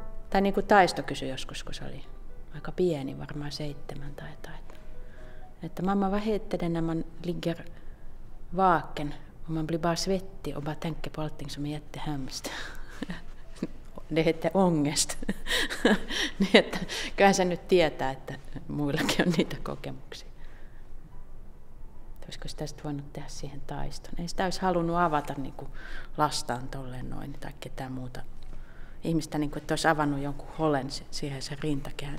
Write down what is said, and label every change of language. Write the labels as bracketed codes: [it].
[fi] Tai niin kuin Taisto kysyi joskus, kun se oli aika pieni, varmaan 7 tai jotain. Että mamma, [sv] vad heter den när man ligger vaken och man blir bara svettig och bara tänker på allting som är jättehemskt. Det heter ångest. [fi] Niin että kyllähän sen nyt tietää, että muillakin on niitä kokemuksia. Olisiko sitä sitten voinut tehdä siihen Taiston? Ei sitä olisi halunnut avata niin kuin lastaan tolleen noin tai ketään muuta. Ihmistä, niin kuin, että olisi avannut jonkun holen siihen sen rintakehän.